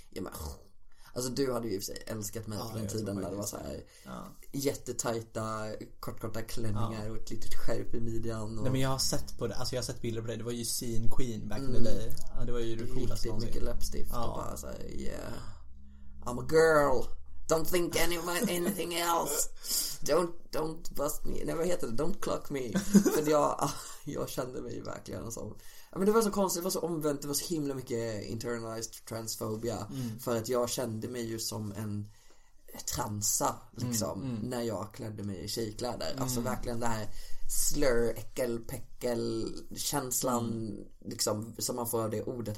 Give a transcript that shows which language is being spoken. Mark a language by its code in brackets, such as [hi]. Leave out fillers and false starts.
[sv] Ja men alltså du hade ju i sig älskat mig, ja, på den tiden när det var så här, ja, jättetajta kortkorta klänningar, ja, och ett litet skärp i midjan och... Nej men jag har sett på det. Alltså jag har sett bilder på det. Det var ju Scene Queen [en] back in the day. [sv] Ja, det var ju det coolaste någonsin. Mycket läppstift, ja, och bara så här, [en] yeah, I'm a girl. Don't think anything else. Don't bust me. [sv] Nej, vad heter det? [en] Don't clock me. [sv] För jag kände mig verkligen som... Men det var så konstigt, det var så omvänt. Det var så himla mycket internalized transphobia. Mm. För att jag kände mig ju som en transa, liksom. Mm. Mm. När jag klädde mig i tjejkläder. Mm. Alltså verkligen det här slur, äckel, peckel känslan, liksom, som man får av det ordet.